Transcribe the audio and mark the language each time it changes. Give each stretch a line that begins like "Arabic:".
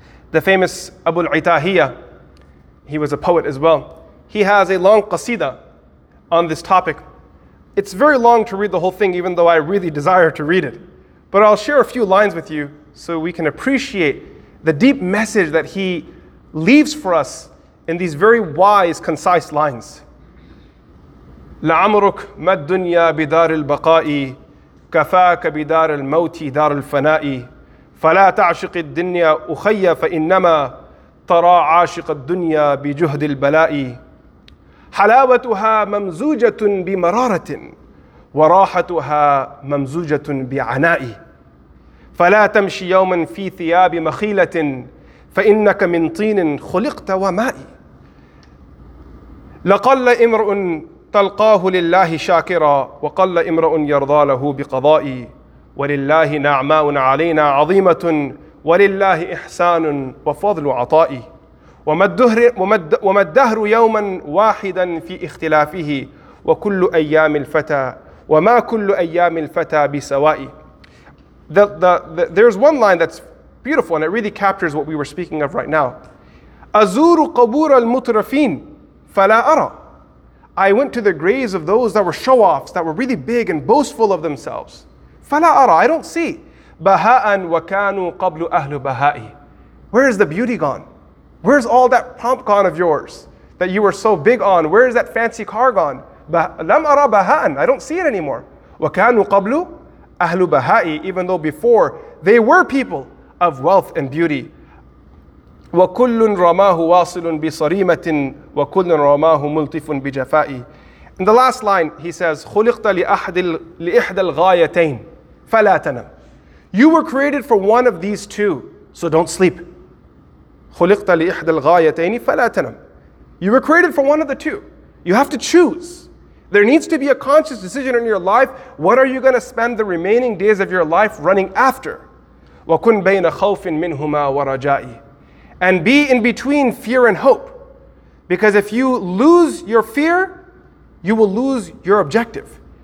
English: The famous Abu al-Itahiyya, he was a poet as well, he has a long qasida on this topic. It's very long to read the whole thing, even though I really desire to read it. But I'll share a few lines with you so we can appreciate the deep message that he leaves for us in these very wise, concise lines.
Arabic: لعمرك ما الدنيا بدار البقاء كفاك بدار الموت دار الفناء فلا تعشق الدنيا أخيا فإنما ترى عاشق الدنيا بجهد البلاء حلاوتها ممزوجة بمرارة وراحتها ممزوجة بعناء فلا تمشي يوما في ثياب مخيلة فإنك من طين خلقت وماء لقل امرؤ تلقاه لله شاكرا وقل امرؤ يرضى له بقضاء ولله نعماء علينا عظيمة ولله إحسان وفضل عطاء وما الدهر يوما واحدا في اختلافه وكل أيام الفتى وما كل أيام الفتى بسواء.
English: There's one line that's beautiful and it really captures what we were speaking of right now.
Arabic: أزور قبور المترفين فلا أرى.
English: I went to the graves of those that were show-offs, that were really big and boastful of themselves.
Arabic: فلا أرى,
English: I don't see.
Arabic: بهاءً وكانوا قبل أهل بهائي.
English: Where is the beauty gone? Where's all that pomp gone of yours that you were so big on? Where is that fancy car gone?
Arabic: لم أرى بهاءً,
English: I don't see it anymore.
Arabic: وكانوا قبل أهل بهائي,
English: even though before they were people of wealth and beauty.
Arabic: وكل رماه واصل بصريمة وكل رماه ملطف بجفاء.
English: In the last line, he says,
Arabic: خلقت لإحدى الغايتين فلا تنم.
English: You were created for one of these two, so don't sleep.
Arabic: خلقت لإحدى الغايتين فلا تنم.
English: You were created for one of the two. You have to choose. There needs to be a conscious decision in your life. What are you going to spend the remaining days of your life running after?
Arabic: وكن بين خوف منهما ورجاء.
English: And be in between fear and hope. Because if you lose your fear, you will lose your objective.